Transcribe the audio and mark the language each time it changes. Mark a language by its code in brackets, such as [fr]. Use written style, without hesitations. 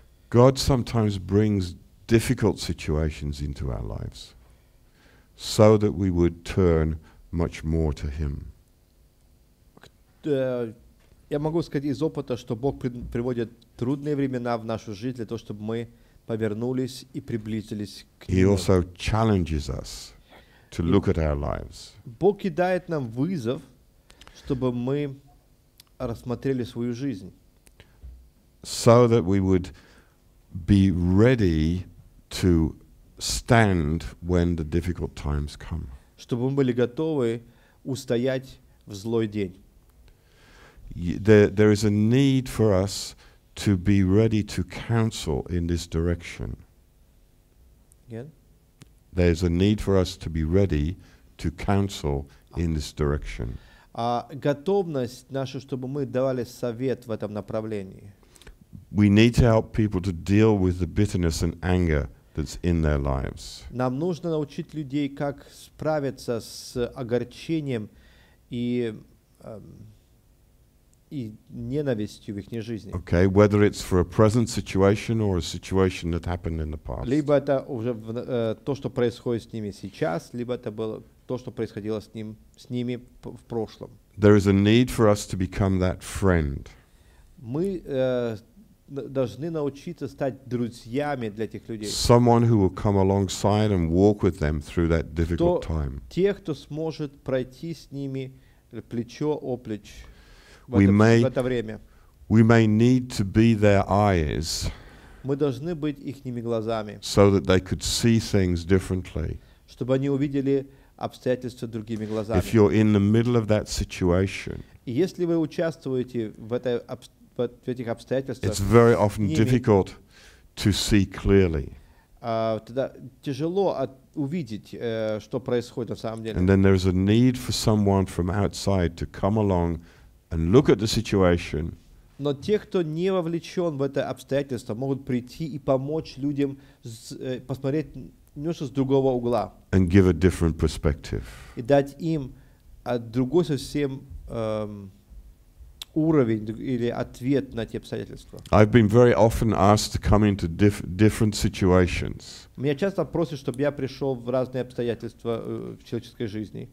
[en] God sometimes brings difficult situations into our lives so that we would turn much more to Him. [ru] Я могу сказать из опыта, что Бог приводит трудные времена в нашу жизнь для того, чтобы мы повернулись и приблизились к Нему. [en] He also challenges us to look at our lives. [ru] Бог кидает нам вызов, чтобы мы рассмотрели свою жизнь. [en] So that we would be ready to stand when the difficult times come. [ru] Чтобы мы были готовы устоять в злой день. [en] There is a need for us to be ready to counsel in this direction. Again? There is a need for us to be ready to counsel in this direction. [ru] Готовность наша, чтобы мы давали совет в этом направлении. [en] We need to help people to deal with the bitterness and anger that's in their lives. [ru] Нам нужно научить людей, как справиться с огорчением и и ненавистью в их жизни. [en] Okay, whether it's for a present situation or a situation that happened in the past. [ru] Либо это уже то, что происходит с ними сейчас, либо это было то, что происходило с ними в прошлом. [en] There is a need for us to become that friend. [ru] Мы должны научиться стать друзьями для тех людей. [en] Someone who will come alongside and walk with them through that difficult time. [ru] Тех, кто сможет пройти с ними плечо о плеч в это время. [en] We may need to be their eyes. [ru] Мы должны быть ихними глазами. [en] So that they could see things differently. [ru] Чтобы они увидели обстоятельства другими глазами. [en] If you're in the middle of that situation. [ru] Если вы участвуете в этой в этих обстоятельствах, [en] it's very often difficult to see clearly. [ru] Тогда тяжело увидеть, что происходит на самом деле. [en] And then there is a need for someone from outside to come along and look at the situation. [ru] Но те, кто не вовлечен в это обстоятельство, могут прийти и помочь людям посмотреть немножко с другого угла. [en] And give a different perspective. [ru] И дать им другой совсем уровень или ответ на те обстоятельства. [en] I've been very often asked to come into different situations. [ru] Меня часто просят, чтобы я пришел в разные обстоятельства в человеческой жизни.